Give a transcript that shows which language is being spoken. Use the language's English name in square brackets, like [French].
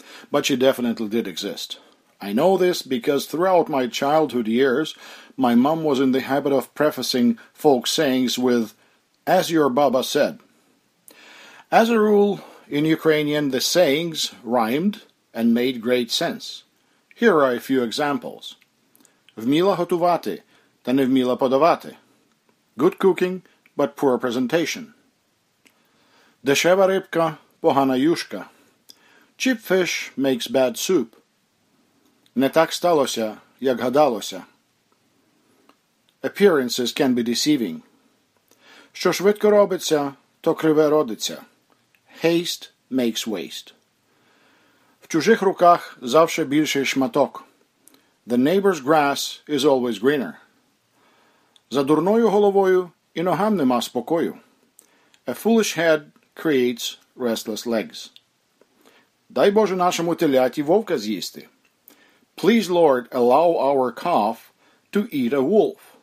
[English] But she definitely did exist. I know this because throughout my childhood years, my mom was in the habit of prefacing folk sayings with, "As your Baba said." As a rule, in Ukrainian, the sayings rhymed and made great sense. Here are a few examples. [Ukrainian] Вміла готувати, та не вміла подавати. [English] Good cooking, but poor presentation. [Ukrainian] Дешева рибка, погана юшка. [English] Cheap fish makes bad soup. [Ukrainian] Не так сталося, як гадалося. [English] Appearances can be deceiving. [Ukrainian] Що швидко робиться, то криве родиться. [English] Haste makes waste. [Ukrainian] В чужих руках завжди більший шматок. [English] The neighbor's grass is always greener. [Ukrainian] За дурною головою і ногам нема спокою. [English] A foolish head creates restless legs. [Ukrainian] Дай Боже нашому теляті вовка з'їсти. [English] Please, Lord, allow our calf to eat a wolf.